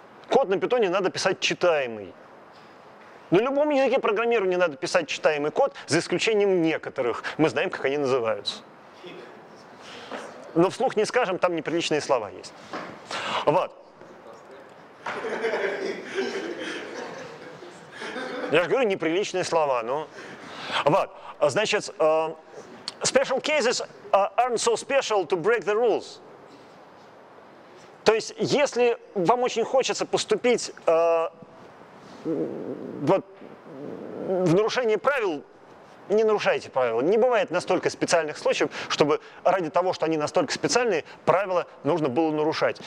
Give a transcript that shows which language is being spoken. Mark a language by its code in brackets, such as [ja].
[ru] Код на Питоне надо писать читаемый. На любом языке программирования надо писать читаемый код, за исключением некоторых. Мы знаем, как они называются. Но вслух не скажем, там неприличные слова есть. Вот. Я же говорю, неприличные слова, но... Вот. Значит... [en] Special cases aren't so special to break the rules. [ru] То есть, если вам очень хочется поступить вот, в нарушение правил, не нарушайте правила. Не бывает настолько специальных случаев, чтобы ради того, что они настолько специальные, правила нужно было нарушать.